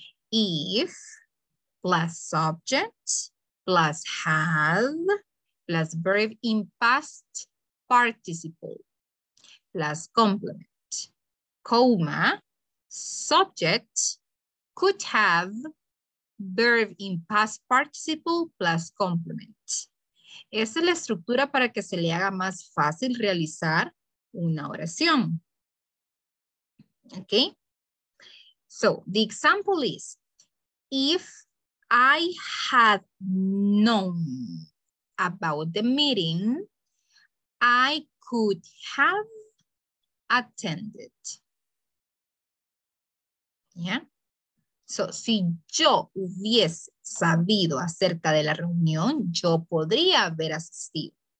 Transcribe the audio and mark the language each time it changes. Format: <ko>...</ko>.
<en>If plus subject plus have plus verb in past participle plus complement. Comma, subject, could have, verb in past participle plus complement.</en> <es>Esa es la estructura para que se le haga más fácil realizar una oración.</es> <en>Okay? So, the example is, if I had known about the meeting, I could have attended. Yeah.</en> <es>So, si yo hubiese sabido acerca de la reunión, yo podría haber asistido.</es>